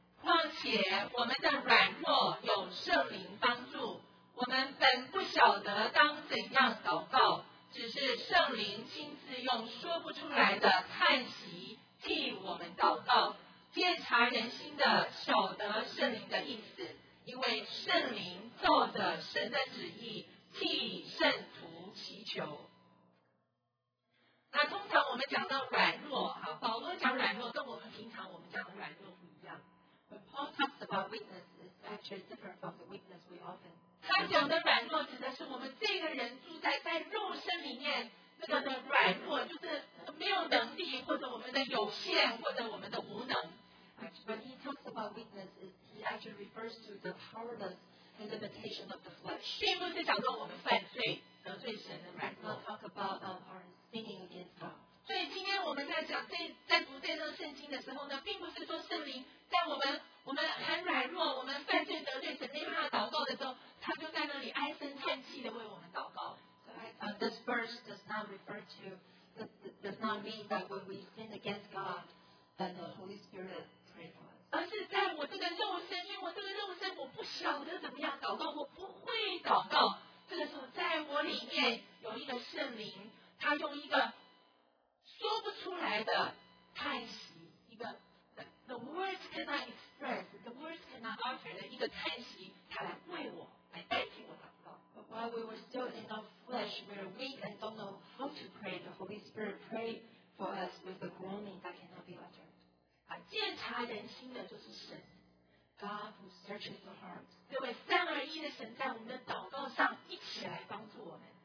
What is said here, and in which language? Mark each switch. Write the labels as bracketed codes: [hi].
[zh] 况且我们的软弱有圣灵帮助，我们本不晓得当怎样祷告，只是圣灵亲自用说不出来的叹息替我们祷告，鉴察人心的晓得圣灵的意思，因为圣灵照着神的旨意替圣徒祈求。那通常我们讲到软弱，保罗讲软弱跟我们平常我们讲的软弱不一样。 [en] Paul talks about weakness is actually different from the weakness we often. [zh] 他讲的软弱指的是我们这个人住在肉身里面那个的软弱，就是没有能力或者我们的有限或者我们的无能。 [en] When he talks about weakness, he actually refers to the powerless and limitation of the flesh. [zh] 并不是讲到我们犯罪得罪神的软弱。 [en] We'll talk about our sinning against God. [zh] 所以今天我们在讲在读这段圣经的时候呢，并不是说圣灵在我们很软弱，我们犯罪得罪神没办法祷告的时候，他就在那里唉声叹气的为我们祷告。 [en] So, this verse does not refer to does not mean that when we sin against God, then the Holy Spirit prays for us. [zh] 而是在我这个肉身，因为我这个肉身我不晓得怎么样祷告，我不会祷告。这个时候，在我里面有一个圣灵，他用一个。说不出来的叹息，一个 [en] the words cannot express, the words cannot offer [zh] 的一个叹息，他来为我，来代替我祷告。 [en] But while we were still in our flesh, we were weak and don't know how to pray, the Holy Spirit prayed for us with a groaning that cannot be uttered. [zh] 啊，鉴察人心的就是神 [en] ，God who searches the heart. [zh] 这位三而一的神在我们的祷告上一起来帮助我们。